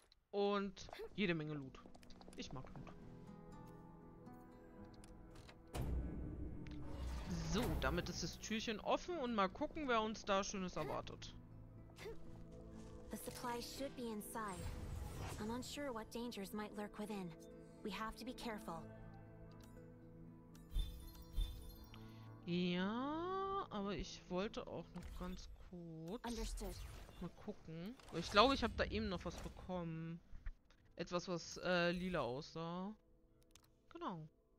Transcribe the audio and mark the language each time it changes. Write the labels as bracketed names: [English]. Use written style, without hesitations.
[German] Und jede Menge Loot. Ich mag Loot. So, damit ist das Türchen offen und mal gucken, wer uns da Schönes erwartet. [English] The supplies should be inside. I'm unsure what dangers might lurk within. We have to be careful. [German] Ja, aber ich wollte auch noch ganz kurz mal gucken. Ich glaube, ich habe da eben noch was bekommen. Etwas, was lila aussah. Genau.